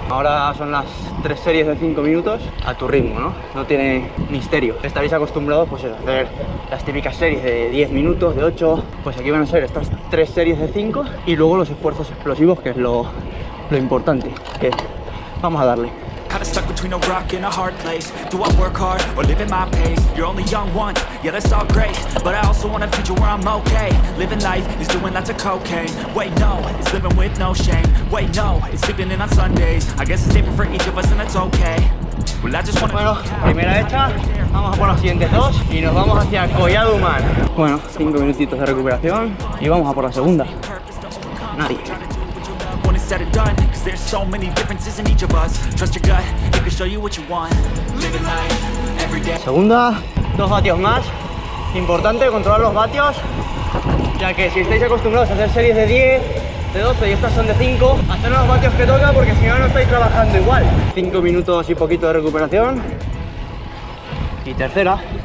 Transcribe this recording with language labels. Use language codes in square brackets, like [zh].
[es] Ahora son las 3 series de 5 minutos a tu ritmo, ¿no? No tiene misterio. Estaréis acostumbrados pues a hacer las típicas series de 10 minutos, de 8. Pues aquí van a ser estas 3 series de 5 y luego los esfuerzos explosivos, que es lo importante. Que vamos a darle. [en] Kinda stuck between a rock and a hard place. Do I work hard or live at my pace? You're only young once, yeah that's all great. But I also want a future where I'm okay. Living life is doing lots of cocaine. Wait no, it's living with no shame. Wait no, it's sleeping in on Sundays. I guess it's different for each of us and it's okay. Well, I just wanna. [es] Bueno, primera hecha, vamos a por los siguientes dos y nos vamos hacia Collado Humán. Bueno, 5 minutitos de recuperación y vamos a por la segunda. Nadie. [en] Said it done, cause there's so many differences in each of us. Trust your gut, it can show you what you want. Living life, every day. [es] Segunda, 2 vatios más. Importante controlar los vatios, ya que si estáis acostumbrados a hacer series de 10, de 12 y estas son de 5, haced los vatios que toca, porque si no, no estáis trabajando igual. 5 minutos y poquito de recuperación. Y tercera.